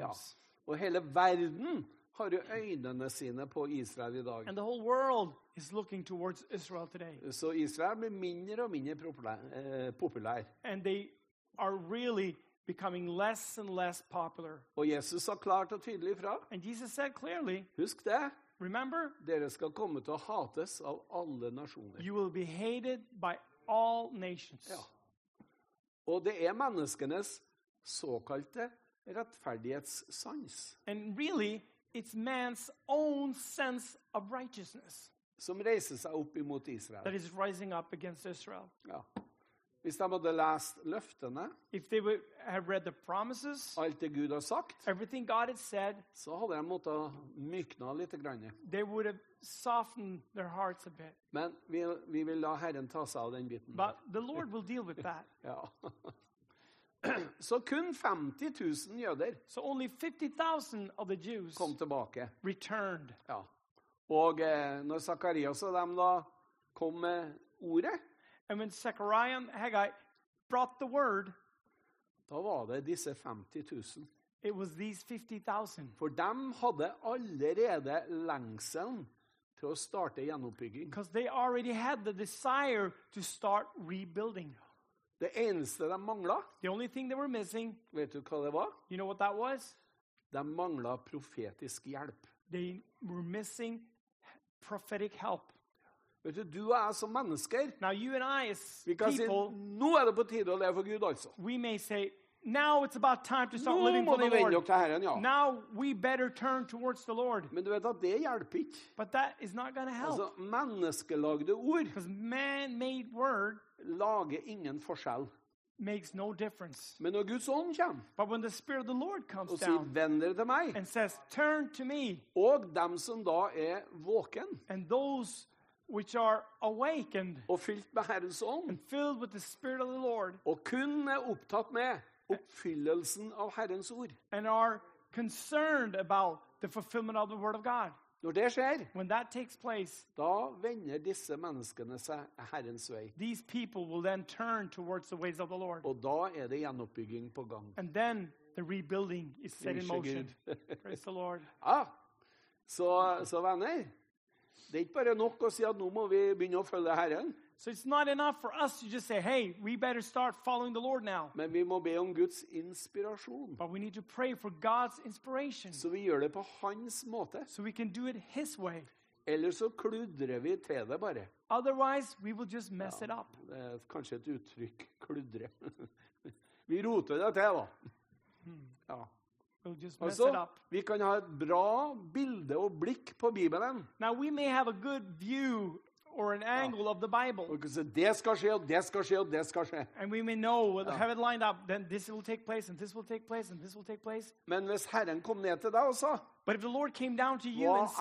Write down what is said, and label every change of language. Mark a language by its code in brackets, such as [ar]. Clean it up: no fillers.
[no] Ja. Og hele verden har jo øynene sine på Israel I dag. [en] And the whole world is looking towards Israel today. [no] Så Israel blir mindre og mindre populær. [en] And they are really becoming less and less popular. [no] Og Jesus sa klart og tydelig fra. [en] And Jesus said clearly. [no] Husk det. [en] Remember, [no] dere skal komme til å hates av alle nasjoner. [en] You will be hated by all nations. [no] Ja. Og det menneskenes såkalte rettferdighetssans. [en] And really, it's man's own sense of righteousness. [no] Som reiser seg opp imot Israel. [en] That is rising up against Israel. [no] Ja. Hvis de hadde lest løftene, [en] if they would have read the promises, [no] alt det Gud har sagt, [en] everything God had said, [no] så hadde de måtte mykne litt grann. [en] They would have softened their hearts a bit. [no] Men vi vil la Herren ta seg av den biten. [en] But the Lord will deal with that. [no] Ja. Så kun 50,000 jøder, [en] so only 50,000 of the Jews, [no] kom tilbake. [en] Returned. [no] Ja. Og når Zakarias og dem da kom med ordet, [en] and when Zechariah and Haggai brought the word, [no] da var det disse 50,000. [en] It was these 50,000. [no] For de hadde allerede lengselen til å starte gjenoppbygging. [en] Because they already had the desire to start rebuilding. [no] Det eneste de manglet. [en] The only thing they were missing. [no] Vet du hva det var? [en] You know what that was? [no] De manglet profetisk hjelp. [en] They were missing prophetic help. [no] Vet du, du og jeg som mennesker. [en] Now you and I as people. [no] Vi kan si, nå er det på tide å leve for Gud altså. [en] We may say, now it's about time to start living for the Lord. [no] Herren, ja. [en] Now we better turn towards the Lord. [no] Men du vet at det hjelper ikke. [en] But that is not going to help. [no] Altså, menneskelagde ord. [en] Because man-made word. [no] Lager ingen forskjell. [en] Makes no difference. [no] Men når Guds ånd kommer. [en] But when the Spirit of the Lord comes [no] down. Og sier, vend dere til meg. [en] And says, turn to me. [no] Og dem som da er våken. [en] And those which are awakened [no] og fylt med Herrens ånd, [en] and filled with the Spirit of the Lord [no] og kun opptatt med oppfyllelsen av Herrens ord, [en] and are concerned about the fulfillment of the word of God. [no] Når det skjer, [en] when that takes place, [no] da vender disse menneskene seg Herrens vei. [en] These people will then turn towards the ways of the Lord. Og da er det gjenoppbygging på gang. And then the rebuilding is set in motion. Praise the Lord. [no] Ja. Så venner, det er ikke bare nok å si at nå må vi begynne å følge Herren. [en] So it's not enough for us to just say, hey, we better start following the Lord now. [no] Men vi må be om Guds inspirasjon. [en] But we need to pray for God's inspiration. [no] Så vi gjør det på hans måte. [en] So we can do it his way. [no] Eller så kludrer vi til det bare. [en] Otherwise, we will just mess it up. [no] Det er kanskje et uttrykk, kludre. Vi roter det til da. Ja. [en] We'll just mess it up. [no] Vi kan ha et bra bilde og blikk på Bibelen. [en] Now we may have a good view or an angle of the Bible. [no] Det skal skje, og det skal skje, og det skal skje. [en] And we may know, have it lined up, then this will take place, and this will take place, and this will take place. [no] Men hvis Herren kom ned til deg og sa, [en] but if the Lord came down to you and said,